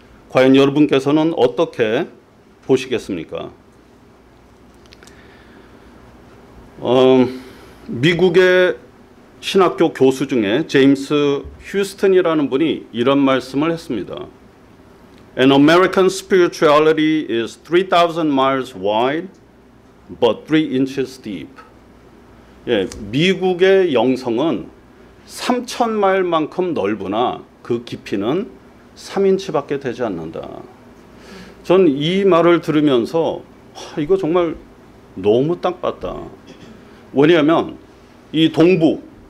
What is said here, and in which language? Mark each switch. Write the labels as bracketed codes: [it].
[ko] 과연 여러분께서는 어떻게 보시겠습니까? 미국의 신학교 교수 중에 제임스 휴스턴이라는 분이 이런 말씀을 했습니다. [en] An American spirituality is 3,000 miles wide but 3 inches deep. [ko] 예, 미국의 영성은 3,000 마일만큼 넓으나 그 깊이는 3인치밖에 되지 않는다. 전 이 말을 들으면서 이거 정말 너무 딱 봤다. 왜냐하면 이 동부,